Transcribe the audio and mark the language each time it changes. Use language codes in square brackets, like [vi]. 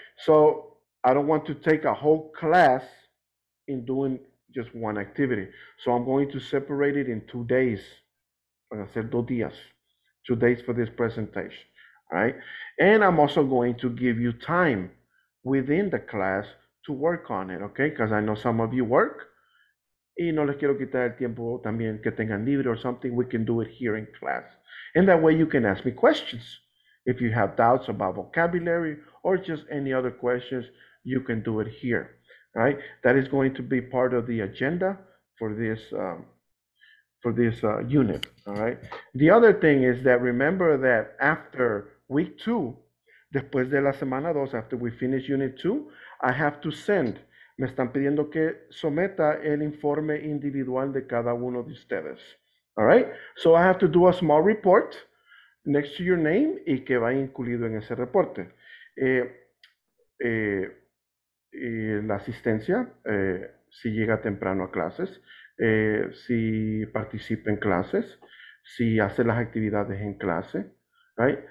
[en] So I don't want to take a whole class in doing just one activity. So I'm going to separate it in 2 days. [es] Voy a hacer 2 días. [en] 2 days for this presentation, right? And I'm also going to give you time within the class to work on it, okay? Because I know some of you work. [es] Y no les quiero quitar el tiempo también que tengan libre [en] or something. We can do it here in class. And that way you can ask me questions. If you have doubts about vocabulary or just any other questions, you can do it here, right? That is going to be part of the agenda for this unit, all right? The other thing is that remember that after week two, [es] después de la semana dos, [en] after we finish unit two, I have to send. [es] Me están pidiendo que someta el informe individual de cada uno de ustedes. All right? [en] So I have to do a small report next to your name [es] y que va incluido en ese reporte. La asistencia, si llega temprano a clases, si participa en clases, si hace las actividades en clase, right?